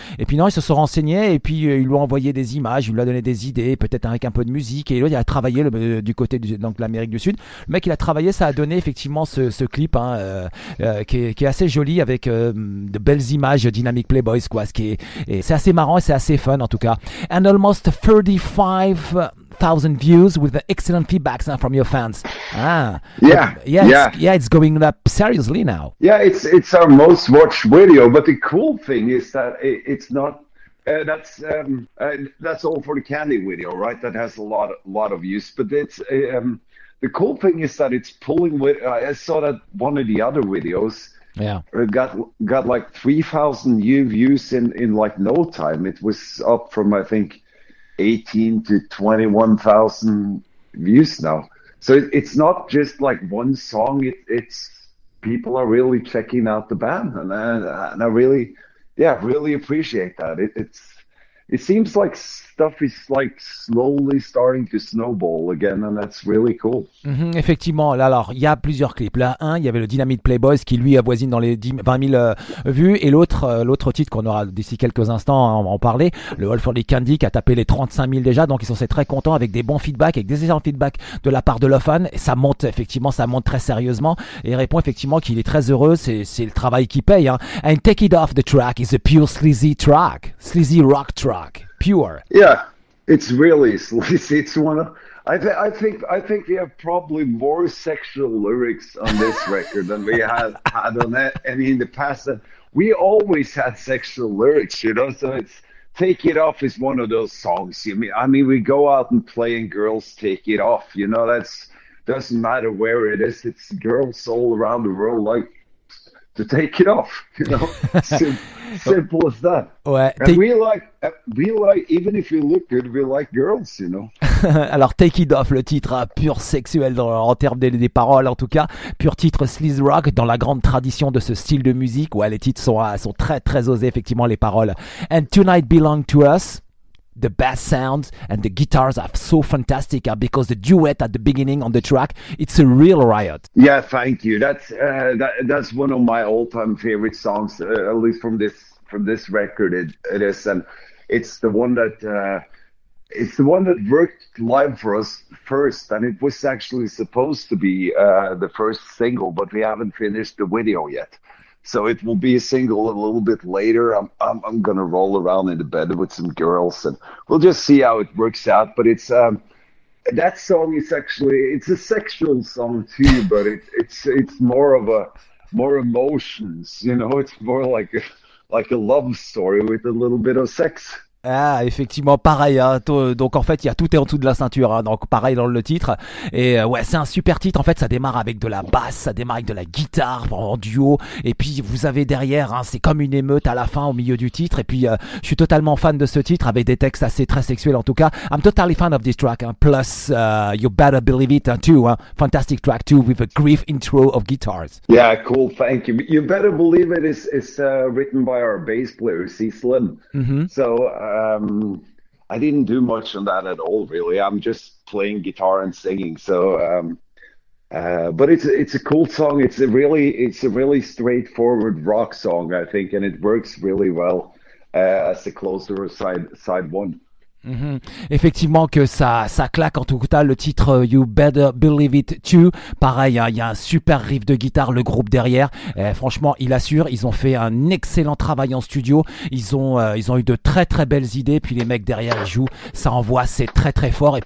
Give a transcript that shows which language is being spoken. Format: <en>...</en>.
<fr>Et puis non, ils se sont renseignés, et puis ils lui ont envoyé des images, il lui a donné des idées, peut-être avec un peu de musique, et là, il a travaillé du côté de l'Amérique du Sud. Le mec, il a travaillé, ça a donné effectivement ce clip hein, qui assez joli avec de belles images Dynamic Playboys quoi, ce qui est, et c'est assez marrant et c'est assez fun en tout cas.</fr> <en>And almost 35 8,000 views with the excellent feedbacks now from your fans. It's going up seriously now. Yeah, it's our most watched video. But the cool thing is that it's not that's all for the candy video, right? That has a lot of views. But it's the cool thing is that it's pulling with. I saw that one of the other videos. Yeah, it got like 3,000 new views in like no time. It was up from I think 18 to 21,000 views now. So it's not just like one song. It's people are really checking out the band, and I really appreciate that. It seems like stuff is like slowly starting to snowball again, and that's really cool.</en> <fr>Mm-hmm, effectivement, là, alors il y a plusieurs clips. Là, un, il y avait le Dynamite Playboys qui lui avoisine dans les 20 000 vues, et l'autre titre qu'on aura d'ici quelques instants, hein, on va en parler, le All for the Candy qui a tapé les 35 000 déjà, donc ils sont très contents avec des bons feedbacks, avec des excellents feedbacks de la part de leurs fans. Et ça monte très sérieusement. Et il répond effectivement qu'il est très heureux, c'est le travail qui paye. Hein.</fr> <en>And Take It Off the Track is a pure sleazy track, sleazy rock track. Rock, pure. Yeah, it's really sleazy. It's one of I think we have probably more sexual lyrics on this record than we have had on any in the past. We always had sexual lyrics, you know. So it's Take It Off is one of those songs. I mean, we go out and play, and girls take it off. You know, that's doesn't matter where it is. It's girls all around the world like to take it off. You know. Simple as that.</en> <fr>Ouais,</fr> <en>we like even if you look good, we like girls, you know.</en> <fr>Alors Take It Off, le titre pur sexuel en termes des paroles, en tout cas pur titre sleaze rock dans la grande tradition de ce style de musique. Ouais, les titres sont très très osés, effectivement, les paroles.</fr> <en>And Tonight Belong to Us, the bass sounds and the guitars are so fantastic, because the duet at the beginning on the track, it's a real riot. Yeah, thank you. That's one of my all-time favorite songs, at least from this record. It is, and it's the one that worked live for us first, and it was actually supposed to be the first single, but we haven't finished the video yet. So it will be a single a little bit later. I'm going to roll around in the bed with some girls, and we'll just see how it works out. But it's that song is actually, it's a sexual song too, but it's more of a more emotions, you know. It's more like a love story with a little bit of sex.</en> <fr>Ah, effectivement, pareil, hein. Donc en fait, il y a tout est en dessous de la ceinture, hein. Donc pareil dans le titre. Et ouais, c'est un super titre. En fait, ça démarre avec de la basse, ça démarre avec de la guitare en duo. Et puis vous avez derrière, hein, c'est comme une émeute à la fin, au milieu du titre. Et puis je suis totalement fan de ce titre, avec des textes assez très sexuels en tout cas.</fr> <en>I'm totally fan of this track, hein. Plus, you better believe it, hein, too, hein. Fantastic track too, with a grief intro of guitars. Yeah, cool, thank you. You better believe it, it's written by our bass player, C. Slim. Mm-hmm. So I didn't do much on that at all, really. I'm just playing guitar and singing. So, but it's a cool song. It's a really straightforward rock song, I think, and it works really well as a closer side one. Mm-hmm.</en> <fr>Effectivement que ça claque en tout cas, le titre You Better Believe It Too, pareil, il y a un super riff de guitare, le groupe derrière, franchement il assure, ils ont fait un excellent travail en studio, ils ont eu de très très belles idées, puis les mecs derrière ils jouent, ça envoie, c'est très très fort.</fr>